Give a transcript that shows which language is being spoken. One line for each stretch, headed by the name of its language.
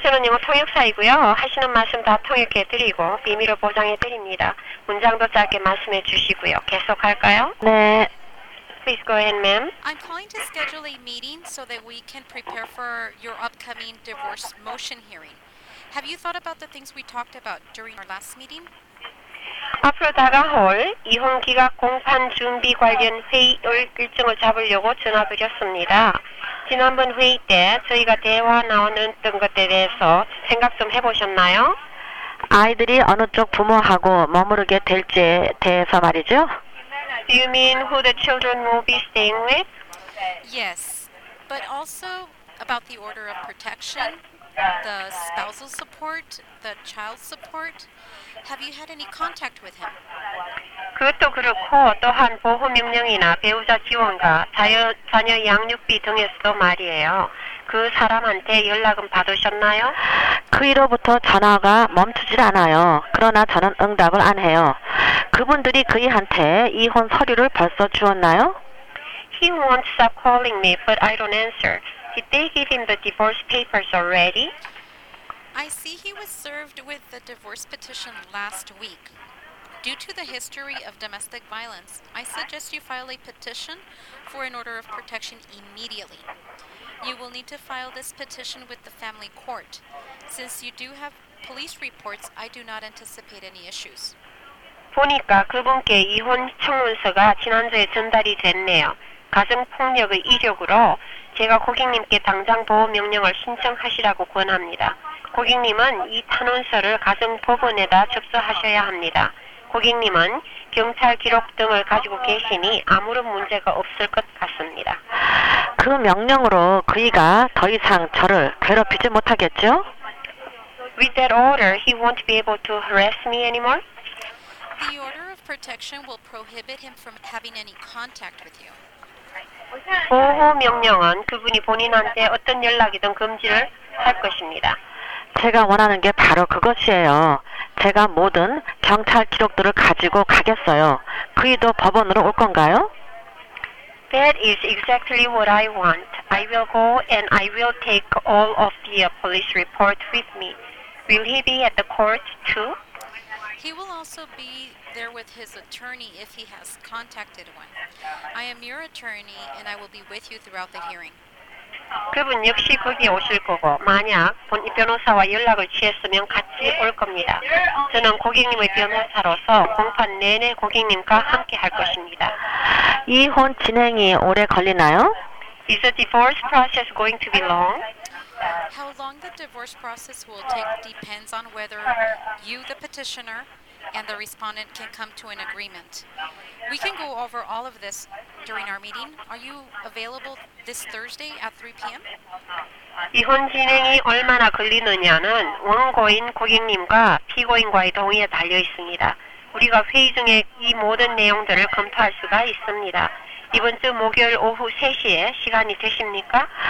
Korean: 저는 영어 통역사이고요. 하시는 말씀 다 통역해 드리고 비밀을 보장해 드립니다. 문장도 짧게 말씀해 주시고요. 계속할까요? 네.
English: Please go ahead, ma'am. I'm calling to schedule a meeting so that we can prepare for your upcoming divorce motion hearing. Have you thought about the things we talked about during our last meeting?
Korean: 앞으로 다가올 이혼 기각 공판 준비 관련 회의 일정을 잡으려고 전화드렸습니다. 지난번 회의 때 저희가 대화 나눴던 것에 대해서 생각 좀 해보셨나요? 아이들이 어느 쪽 부모하고 머무르게 될지에 대해서 말이죠?
English: Do you mean who the children will be staying with? Yes, but also about the order of protection, the spousal support, the child support. Have you had any contact with him?
Korean: 그것도 그렇고 또한 보호명령이나 배우자 지원과 자녀 양육비 등에서도 말이에요. 그 사람한테 연락은 받으셨나요? 그 이로부터 전화가 멈추질 않아요. 그러나 저는 응답을 안 해요. 그분들이 그이한테 이혼 서류를 벌써 주었나요?
English: He won't stop calling me, but I don't answer. Did they give him the divorce papers already? I see he was served with the divorce petition last week. Due to the history of domestic violence, I suggest you file a petition for an order of protection immediately. You will need to file this petition with the family court. Since you do have police reports, I do not anticipate any issues.
Korean: 보니까 그분께 이혼 청문서가 지난주에 전달이 됐네요. 가정폭력의 이력으로 제가 고객님께 당장 보호명령을 신청하시라고 권합니다. 고객님은 이 탄원서를 가정법원에다 접수하셔야 합니다. 고객님은 경찰 기록 등을 가지고 계시니 아무런 문제가 없을 것 같습니다. 그 명령으로 그이가 더 이상 저를 괴롭히지 못하겠죠?
English: With that order, he won't be able to harass me anymore. The order of protection will prohibit him from having any contact with you.
Korean: 보호 명령은 그분이 본인한테 어떤 연락이든 금지를 할 것입니다. 제가 원하는 게 바로 그것이에요. 제가 모든 경찰 기록들을 가지고 가겠어요. 그이도 법원으로 올 건가요?
English: That is exactly what I want. I will go and I will take all of the police report with me. Will he be at the court too? He will also be there with his attorney if he has contacted one. I am your attorney and I will be with you throughout the hearing.
Korean: 그분 역시 거기 오실 거고 만약 본인 변호사와 연락을 취했으면 같이 올 겁니다. 저는 고객님의 변호사로서 공판 내내 고객님과 함께 할 것입니다. 이혼 진행이 오래 걸리나요?
English: Is the divorce process going to be long? How long the divorce process will take depends on whether you, the petitioner, and the respondent can come to an agreement. We can go over all of this during our meeting. Are you available this Thursday at 3 p.m.?
Korean: 이혼 진행이 얼마나 걸리느냐는 원고인 고객님과 피고인과의 동의에 달려 있습니다. 우리가 회의 중에 이 모든 내용들을 검토할 수가 있습니다. 이번 주 목요일 오후 3시에 시간이 되십니까?